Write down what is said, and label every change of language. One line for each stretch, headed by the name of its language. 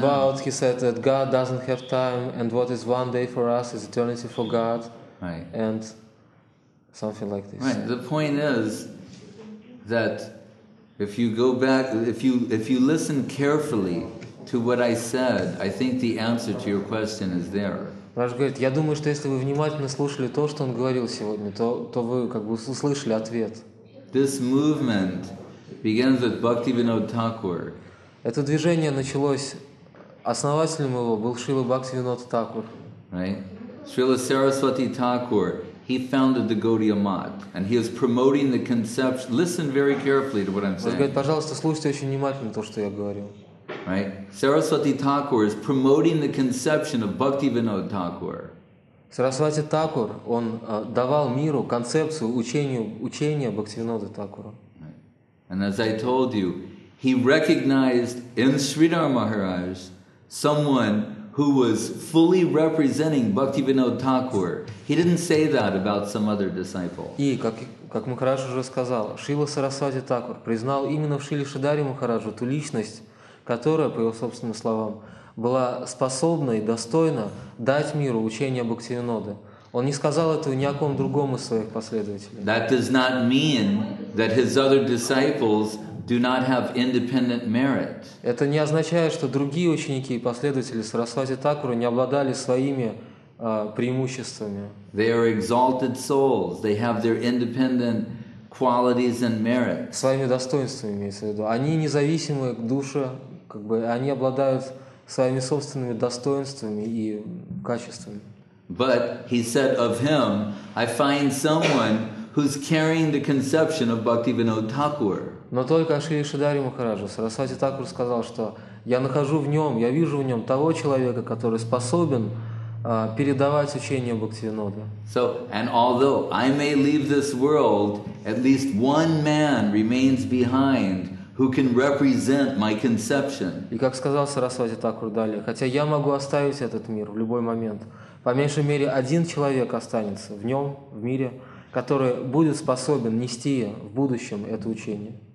English: About he said that God doesn't have time, and what is one day for us is eternity for God, right. And something like this. Right. The point is that if you go back, if you listen carefully to what I said, I think the answer to your question is there.
Russian: Раш говорит, я думаю, что если вы внимательно слушали то, что он говорил сегодня, то вы услышали ответ.
English: This movement begins with Bhaktivinoda Thakur.
Russian: Это движение началось, основателем его был Шрила Бхактивинода Такур.
English: Right? Шрила Сарасвати Такур, he founded the Gaudiya Math, and he is promoting the conception. Listen very carefully to what I'm saying.
Russian: Раш говорит, пожалуйста, слушайте очень внимательно то, что я говорю.
English: Right, Saraswati Thakur is promoting the conception of Bhaktivinoda Thakur.
Russian: Saraswati Thakur, он давал миру концепцию учения Бхактивинода Такура.
English: And as I told you, he recognized in Sridhar Maharaj someone who was fully representing Bhaktivinoda Thakur. He didn't say that about some other disciple.
Russian: И как Махарадж уже сказал, Шрила Сарасвати Такур признал именно в Шриле Шридхаре Махараджу ту личность, которая, по его собственным словам, была способна и достойна дать миру учение Бхактивиноды. Он не сказал этого ни о ком другом из своих последователей.
English: That does not mean that his other disciples do not have independent merit.
Russian: Это не означает, что другие ученики и последователи Сарасвати Такура не обладали своими преимуществами.
English: They are exalted souls. They have their independent qualities and merit.
Russian: Своими достоинствами имеется в виду. Они независимы к душе. Они обладают своими собственными достоинствами и качествами.
English: But he said of him, I find someone who's carrying the conception of Bhaktivinoda Thakur.
Russian: Но только Шри Шридхаре Махараджу Сарасвати Такур сказал, что я нахожу в нем, я вижу в нем того человека, который способен передавать учение Бхактивиноды.
English: So, and although I may leave this world, at least one man remains behind who can represent my conception.
Russian: И как сказал Сарасвати Такур далее, хотя я могу оставить этот мир в любой момент, по меньшей мере один человек останется в нем, в мире, который будет способен нести в будущем это учение.